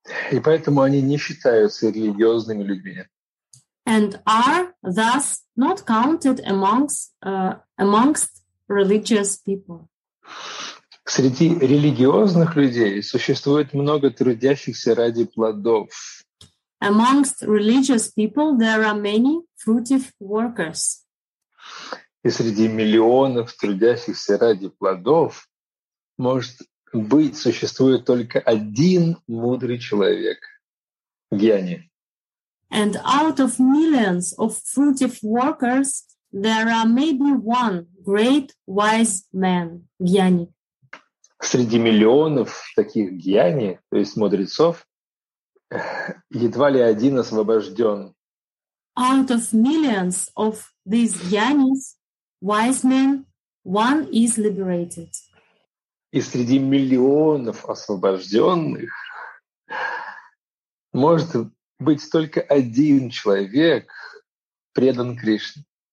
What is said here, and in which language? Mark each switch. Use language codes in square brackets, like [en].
[ru] И поэтому они не считаются религиозными людьми. [en] And are thus not counted amongst religious people. [ru] Среди религиозных людей существует много трудящихся ради плодов. [en] Amongst religious people there are many fruitive workers. [ru] И среди миллионов трудящихся ради плодов может быть существует только один мудрый человек — гьяни. [en] And out of millions of fruitive workers there are maybe one great wise man — гьяни. [ru] Среди миллионов таких гьяни, то есть мудрецов, едва ли один освобожден. [en] Out of millions of these gyanis, wise men, one is liberated. [ru] И среди миллионов освобожденных может быть только один человек предан Кришне.